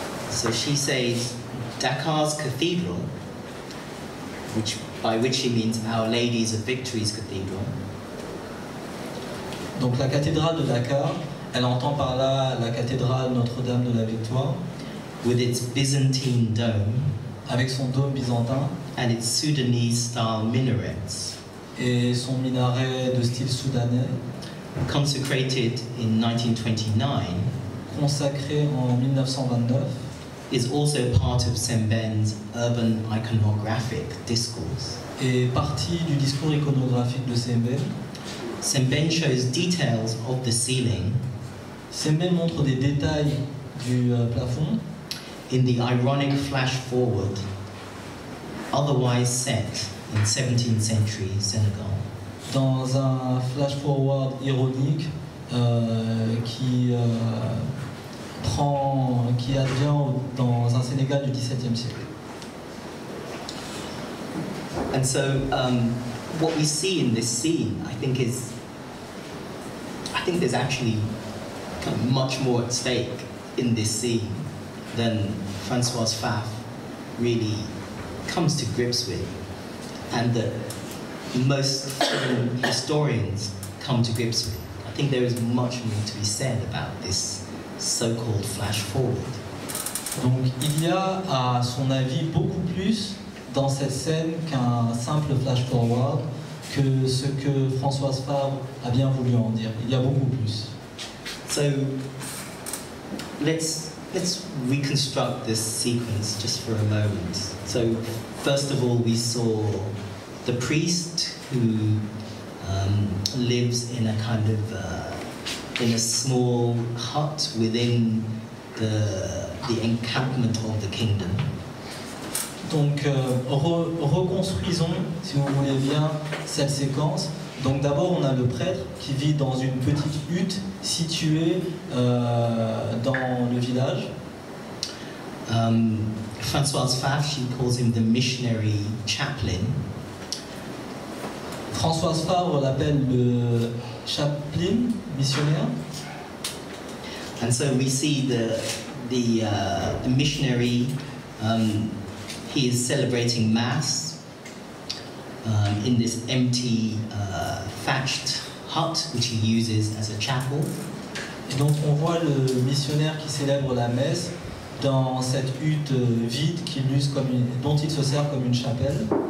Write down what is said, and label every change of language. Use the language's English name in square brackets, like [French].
[English] So she says, Dakar's cathedral, which by which she means Our Lady of Victory's cathedral. [French] Donc la cathédrale de Dakar, elle entend par là la cathédrale Notre-Dame de la Victoire, [English] with its Byzantine dome, [French] avec son dôme byzantin, [English] and its Sudanese-style minarets, [French] et son minaret de style soudanais, [English] consecrated in 1929, [French] consacré en 1929, [English] is also part of Semben's urban iconographic discourse, [French] et partie du discours iconographique de Semben. [English] Semben shows details of the ceiling. [French] Semben montre des détails du plafond. [English] In the ironic flash forward, otherwise set in 17th century Senegal. [French] Dans un flash forward ironique qui advient dans un Sénégal du 17e siècle. [English] And so, what we see in this scene, I think there's actually much more at stake in this scene than Françoise Pfaff really comes to grips with, and that most historians come to grips with. I think there is much more to be said about this so-called flash forward. [French] Donc il y a, à son avis, beaucoup plus dans cette scène qu'un simple flash forward, que ce que Françoise Pfaff a bien voulu en dire. Il y a beaucoup plus. [English] So let's reconstruct this sequence just for a moment. So first of all, we saw the priest who lives in a kind of in a small hut within the encampment of the kingdom. [French] Donc, reconstruisons, si vous voulez bien, cette séquence. Donc d'abord, on a le prêtre qui vit dans une petite hutte située dans le village. [English] Françoise Pfaff, she calls him the missionary chaplain. [French] Françoise Pfaff l'appelle le chaplain missionnaire. [English] And so we see the missionary, he is celebrating mass in this empty thatched hut which he uses as a chapel. [French] Et donc on voit le missionnaire qui célèbre la messe dans cette hutte vide qu'il use comme une, dont il se sert comme une chapelle.